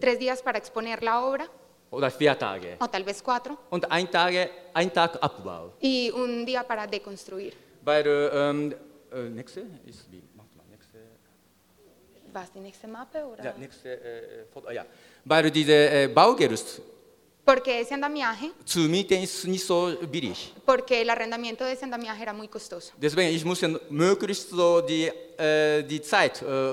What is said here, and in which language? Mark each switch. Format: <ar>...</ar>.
<es>3 días para exponer la obra.</es> <de>Oder 4 Tage.</de> <es>O tal vez 4.</es> <de>Und ein Tag Abbau.</de> <es>Y un día para deconstruir.</es> <de>Weil, nächste ist wie? Was die nächste Mappe oder? Ja, nächste Foto. Ja, weil diese Baugerüst.</de> <es>Porque ese andamiaje.</es> <de>Zu mieten ist nicht so billig.</de> <es>Porque el arrendamiento de ese andamiaje era muy costoso.</es> <de>Deswegen ich muss möglichst so die Zeit</de>